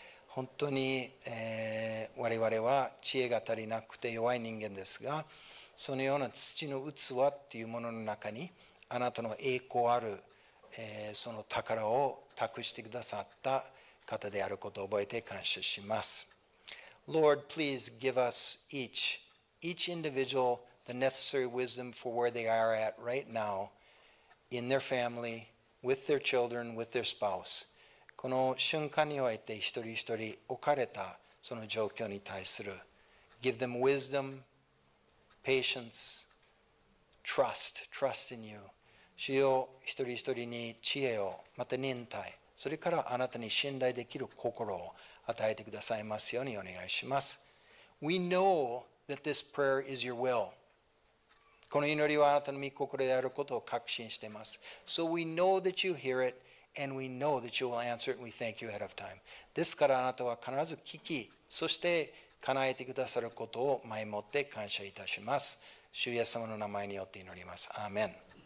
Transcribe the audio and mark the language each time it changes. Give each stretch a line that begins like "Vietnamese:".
Japanese: 本当に、我々は知恵が足りなくて弱い人間ですが、そのような土の器っていうものの中に、あなたの栄光ある、その宝を託してくださった方であることを覚えて感謝します。
English: Lord, please give us each individual the necessary wisdom for where they are at right now in their family, with their children, with their spouse.
Japanese: この瞬間において一人一人置かれたその状況に対する。
English: Give them wisdom, patience, trust in you.
Japanese: 主よ、一人一人に知恵を、また忍耐、それからあなたに信頼できる心を与えてくださいますようにお願いします。
English: We know that this prayer is your will.
Japanese: この祈りはあなたの御心であることを確信しています。
English: So we know that you hear it, and we know that you will answer it, and we thank you ahead of time.
Japanese: ですからあなたは必ず聞き、そして叶えてくださることを前もって感謝いたします。主イエス様の名前によって祈ります。アーメン。